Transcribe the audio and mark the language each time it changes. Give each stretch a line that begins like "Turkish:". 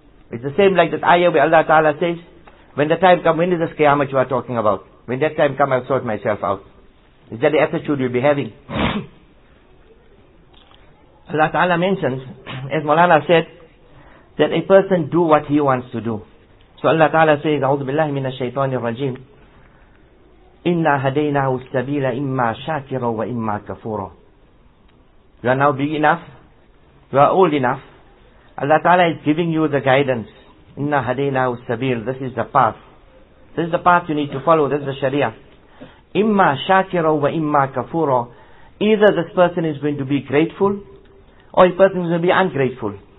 English: It's the same like that ayah where Allah Ta'ala says, when the time comes, when is this qiyamah you are talking about? When that time comes, I'll sort myself out. Is that the attitude you'll be having? Allah Ta'ala mentions, as Mawlana said, that a person do what he wants to do. So Allah Ta'ala says,
Arabic: أعوذ بالله من الشيطان الرجيم إِنَّا هَدَيْنَاهُ السَّبِيلَ إِمَّا شَاكِرًا وَإِمَّا كَفُورًا.
English: You are now big enough, you are old enough, Allah Ta'ala is giving you the guidance.
Arabic: إِنَّا هَدَيْنَاهُ السَّبِيلَ.
English: This is the path. This is the path you need to follow. This is the Sharia.
Arabic: إِمَّا شَاكِرًا وَإِمَّا كَفُورًا.
English: Either this person is going to be grateful, or a person is going to be ungrateful.